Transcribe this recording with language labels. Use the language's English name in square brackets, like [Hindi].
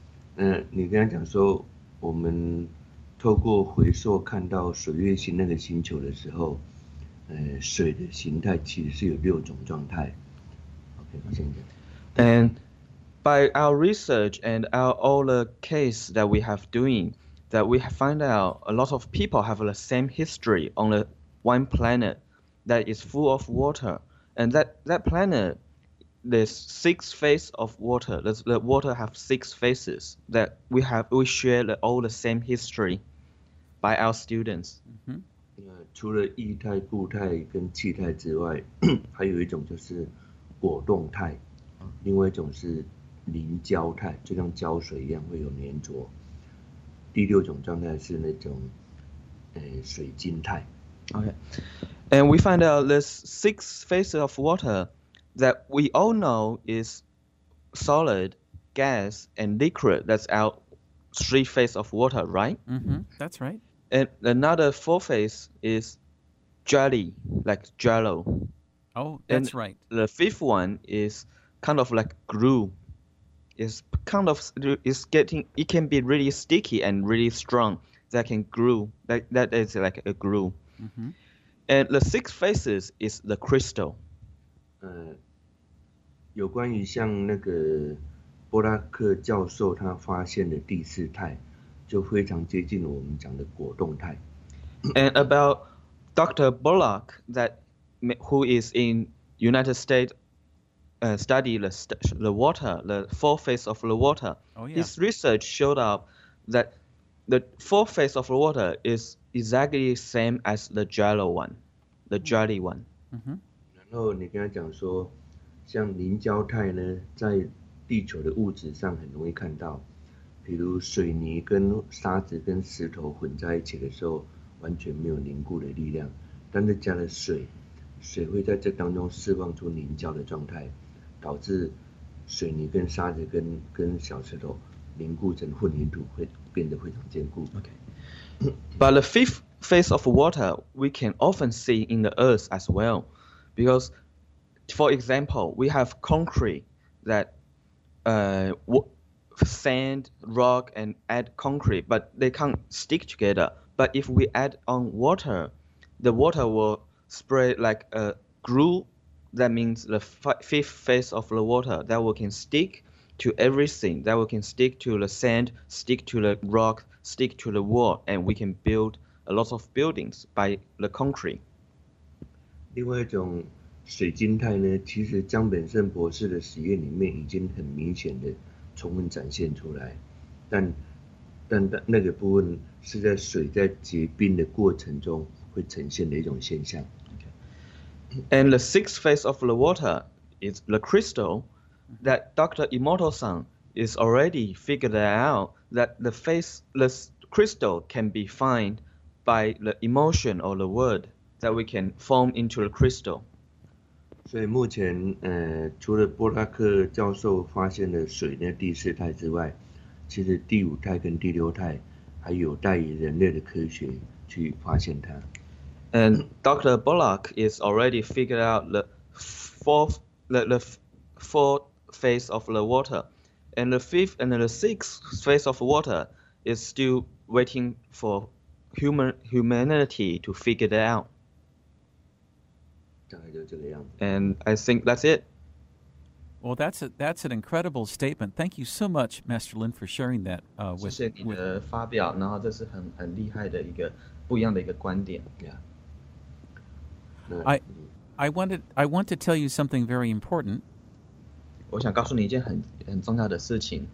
[English] By our research and all the case that we have doing, that we have found out a lot of people have the same history on the one planet that is full of water. And that planet, there's six phases of water. The water have six phases that we share all the same history by our students. Mm-hmm. [Chinese] 除了液态、固态跟气态之外, 还有一种就是果冻态, 另外一种是 凝胶态, 就像胶水一样, 会有粘着, 第六种状态是那种, 水晶态, [English] okay. And we find out this six phases of water that we all know is solid, gas, and liquid. That's our three phases of water, right? Mm-hmm. That's right. And another four phase is jelly, like jello. Oh, that's right. The fifth one is kind of like glue. It can be really sticky and really strong. That can glue. That is like a glue. Mm-hmm. And the sixth phase is the crystal. [Chinese] 有关于像那个波拉克教授他发现的第四态，就非常接近我们讲的果冻态。 [English] And about Dr. Bullock, who is in United States, study the water, the four phase of the water. Oh, yeah. His research showed up that the four phase of the water is exactly the same as the jello one, the jelly one. Mm-hmm. [Chinese] 然后你跟他讲说，像凝胶态呢，在地球的物质上很容易看到，比如水泥跟沙子跟石头混在一起的时候，完全没有凝固的力量。但是加了水，水会在这当中释放出凝胶的状态，导致水泥跟沙子跟小石头凝固成混凝土，会变得非常坚固。 [English] Okay. But the fifth phase of water we can often see in the earth as well. Because, for example, we have concrete that sand, rock, and add concrete, but they can't stick together. But if we add on water, the water will spread like a glue. That means the fifth phase of the water that will can stick to everything, that will can stick to the sand, stick to the rock, stick to the wall, and we can build a lot of buildings by the concrete. [Chinese] 另外一种水晶态呢，其实江本胜博士的实验里面已经很明显的充分展现出来，但那个部分是在水在结冰的过程中会呈现的一种现象。 [English] Okay. And the sixth phase of the water is the crystal that Dr. Imoto-san is already figured out that the phase the crystal can be found by the emotion or the word. That we can form into a crystal. [Chinese] 所以目前，除了波拉克教授发现的水的第四态之外，其实第五态跟第六态还有待于人类的科学去发现它。 [English] And Dr. Bullock is already figured out the fourth phase of the water, and the fifth and the sixth phase of water is still waiting for humanity to figure it out. And I think that's it. Well, that's an incredible statement. Thank you so much, Master Lin, for sharing that with me. [Chinese] 谢谢你的发表，然后这是很厉害的一个不一样的一个观点。 [English] Yeah. I want to tell you something very important. [Chinese] 我想告诉你一件很重要的事情。